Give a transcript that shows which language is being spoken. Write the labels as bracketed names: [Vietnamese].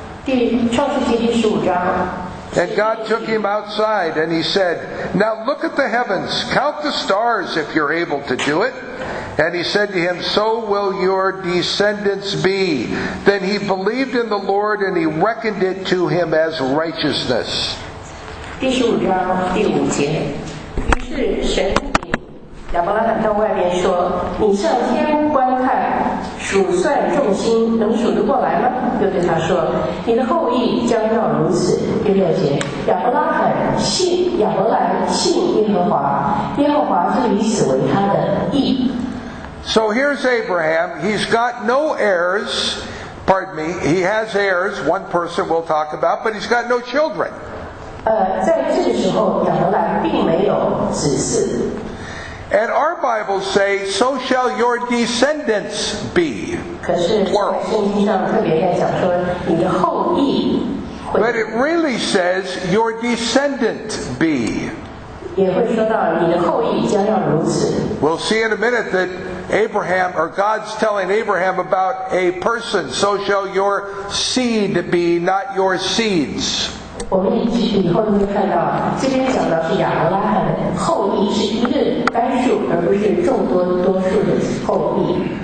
[English] And God took him outside and he said, now look at the heavens, count the stars if you're able to do it. And he said to him, so will your descendants be. Then he believed in the Lord and he reckoned it to him as righteousness. [Chinese] 第十五章第五节，于是神对亚伯拉罕在外边说：“你上天观看，数算众星，能数得过来吗？”又对他说：“你的后裔将要如此。”第六节，亚伯拉罕信耶和华，耶和华是以此为他的义。 [English] So here's Abraham. He's got no heirs. Pardon me, he has heirs, one person we'll talk about, but he's got no children. [Chinese] 在这个时候亚伯兰并没有子嗣。 [English] And our Bibles say, so shall your descendants be. [Chinese] 可是圣经上特别在讲说你的后裔。 [English] But it really says, your descendant be. [Chinese] 也会说到你的后裔将要如此。 [English] We'll see in a minute that Abraham, or God's telling Abraham about a person, so shall your seed be, not your seeds. [Chinese] 我们以后就会看到，这边讲到是亚伯拉罕的后裔是一个单数，而不是众多多数的后裔。